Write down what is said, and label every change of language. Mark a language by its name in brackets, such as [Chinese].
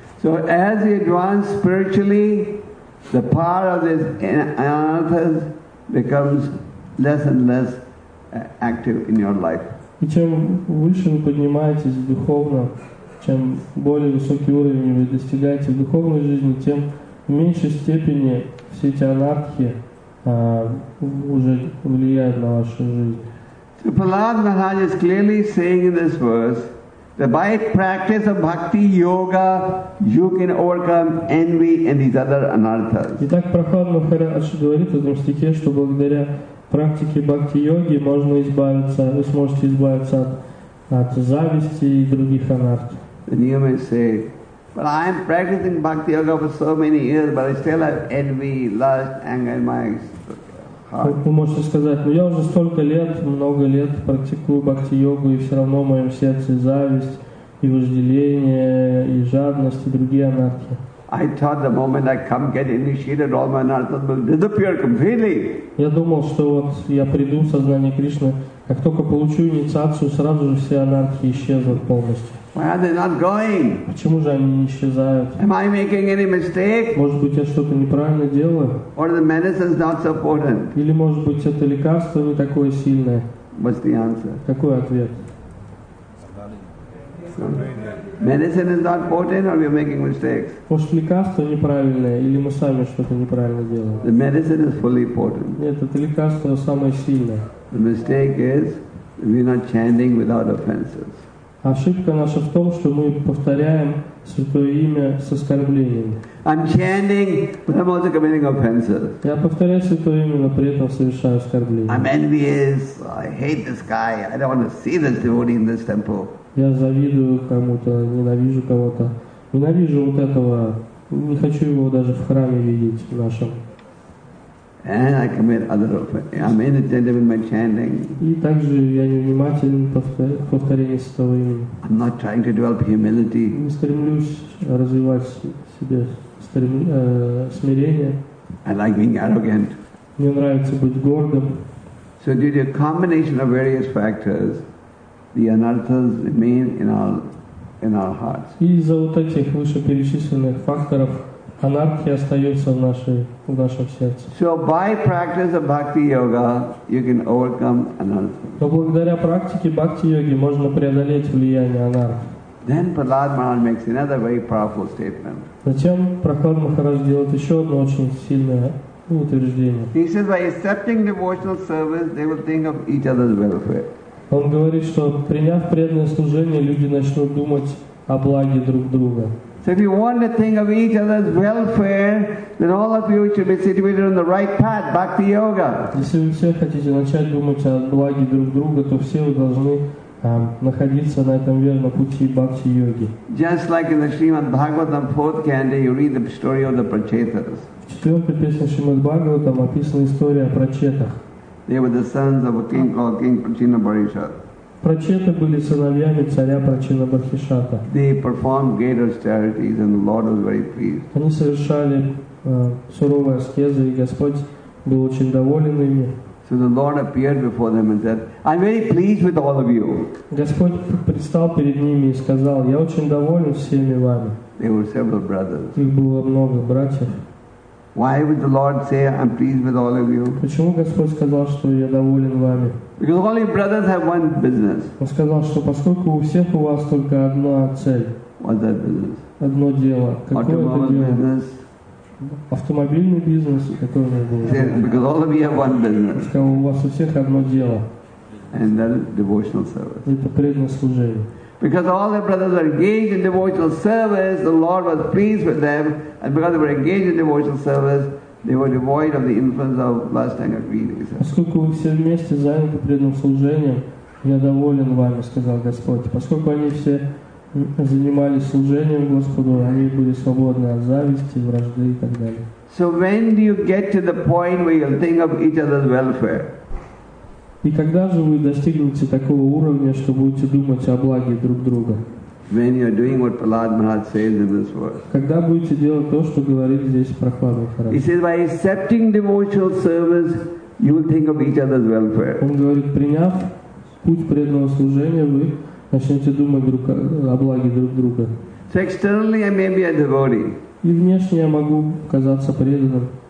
[English] So as we advance spiritually, the power of this anarthas becomes less and less active in your life. [Russian] И чем выше вы поднимаетесь духовно, чем более высокий уровень вы достигаете в духовной жизни, тем в меньшей степени все эти анархи уже влияет на вашу жизнь. [English] So Prahlad Maharaj is clearly saying in this verse that by practice of bhakti yoga you can overcome envy and these other anarthas. [Russian] Итак, Прохлад Махарадж говорит в этом стихе, что благодаря практике бхакти йоги можно избавиться, вы сможете избавиться от зависти и других анарт. [English] Then you may say, but I am practicing bhakti yoga for so many years, but I still have envy, lust, anger in my heart. [Russian] Вы можете сказать, ну я уже столько лет, много лет практикую бхакти йогу, и все равно в моем сердце зависть, и вожделение, и жадность, и другие анартхи. [English] I thought the moment I come get initiated, all my anarthas will disappear completely. [Russian] Я думал, что вот я приду в сознание Кришны, как только получу инициацию, сразу же все анартхи исчезнут полностью. [English] Why are they not going? [Russian] Почему же они не исчезают? [English] Am I making any mistake? [Russian] Может быть, я что-то неправильно делаю? [English] Or the medicine is not so potent? [Russian] Или, может быть, это лекарство не такое сильное? [English] What's the answer? [Russian] Какой ответ? [English] Medicine is not potent, or we are making mistakes? [Russian] Может, лекарство неправильное, или мы сами что-то неправильно делаем? [English] The medicine is fully potent. [Russian] Нет, это лекарство самое сильное. [English] The mistake is we're not chanting without offenses. [Russian] Ошибка наша в том, что мы повторяем Святое Имя с оскорблением. [English] I'm chanting, but I'm also committing offenses. [Russian] Я повторяю Святое Имя, но при этом совершаю оскорбление. [English] I'm envious. I hate this guy. I don't want to see this devotee in this temple. [Russian] Я завидую кому-то, ненавижу кого-то. Ненавижу вот этого. Не хочу его даже в храме видеть в нашем. [English] And I commit other offenses. I'm inattentive in my chanting. [Russian] И также я невнимателен в повторении Святого Имени. [English] I'm not trying to develop humility. [Russian] Не стремлюсь развивать себе смирение. [English] I like being arrogant. [Russian] Мне нравится быть гордым. [English] So due to a combination of various factors, the anarthas remain in our hearts. [Russian] И из-за вот этих вышеперечисленных факторов анархия остается в нашем сердце. [English] So by practice of bhakti yoga, you can overcome anartha. [Russian] Но благодаря практике бхакти йоги можно преодолеть влияние анартхи. [English] Then Prahlad Maharaj makes another very powerful statement. [Russian] Затем Прохлад Махарадж делает еще одно очень сильное утверждение. [English] He says by accepting devotional service, they will think of each other's welfare. [Russian] Он говорит, что приняв преданное служение, люди начнут думать о благе друг друга. [English] So if you want to think of each other's welfare, then all of you should be situated on the right path, bhakti yoga. [Russian] Если вы все хотите начать думать о благе друг друга, то все вы должны находиться на этом верном пути бхакти йоги. [English] Just like in the Srimad Bhagavatam 4th canto, you read the story of the Prachetas. [Russian] В 4-й песне Шримад Бхагаватам описана история о прачетах. [English] They were the sons of a king called King Prachinabarishat. [Russian] Прачеты были сыновьями царя Прачинабархишата. [English] They performed great austerities and the Lord was very pleased. [Russian] Они совершали суровые аскезы, и Господь был очень доволен ими. [English] So the Lord appeared before them and said, I'm very pleased with all of you. [Russian] Господь предстал перед ними и сказал, я очень доволен всеми вами. [English] They were several brothers. [Russian] Их было много братьев. [English] Why would the Lord say, I'm pleased with all of you? [Russian] Почему Господь сказал, что я доволен вами? [English] Because all your brothers have one business. [Russian] Он сказал, что поскольку у всех у вас только одна цель. [English] What's that business? [Russian] Одно дело. [English] Automobile business. [Russian] Автомобильный бизнес, который был. [English] Because all of you have one business. [Russian] Сказал, у вас у всех одно дело. [English] And that is devotional service. [Russian] Это преданное служение. [English] Because all their brothers were engaged in devotional service, the Lord was pleased with them, and because they were engaged in devotional service, they were devoid of the influence of lust and greed. [Russian] Поскольку вы все вместе заняты преданным служением, я доволен вами, сказал Господь. Поскольку они все занимались служением Господу, они были свободны от зависти, вражды и так далее. [English] So when do you get to the point where you think of each other's welfare? [Russian] И когда же вы достигнете такого уровня, что будете думать о благе друг друга? [English] When you're doing what Prahlad Maharaj says in this verse. [Russian] Когда будете делать то, что говорит здесь Прохлад Махарадж? [English] He says, by accepting devotional service, you will think of each other's welfare. [Russian] Он говорит, приняв путь преданного служения, вы начнете думать друг о благе друг друга. [English] So externally I may be a devotee. [Russian] И внешне я могу казаться преданным.